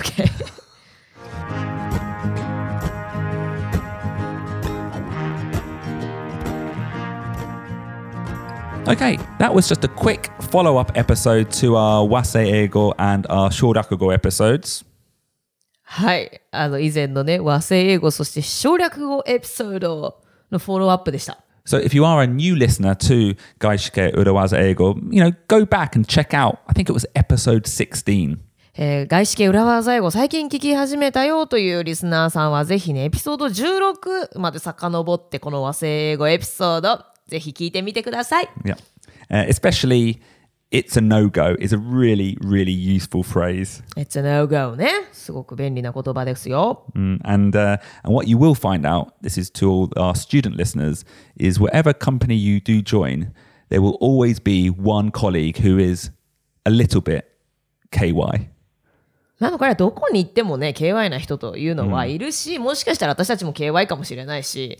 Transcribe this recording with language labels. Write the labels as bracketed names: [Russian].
[English] Okay. Okay, that was just a quick follow-up episode to our Wase Eigo and our Shorakugo episodes. [Japanese] はい、あの以前のね、和製英語そして省略語エピソードのフォローアップでした。 [English] So if you are a new listener to 外資系裏技英語、you know, go back and check out. I think it was episode 16. [Japanese] 外資系裏技英語最近聞き始めたよというリスナーさんはぜひね、エピソード16まで遡ってこの和製英語エピソードぜひ聞いてみてください。 [English] Yeah. Especially It's a no-go is a really, really useful phrase. It's a no-go, ね。 [Japanese] すごく便利な言葉ですよ。 [English] And what you will find out, this is to all our student listeners, is whatever company you do join, there will always be one colleague who is a little bit KY. [Japanese] なのかな、どこに行ってもね、KY な人というのはいるし、もしかしたら私たちも KY かもしれないし、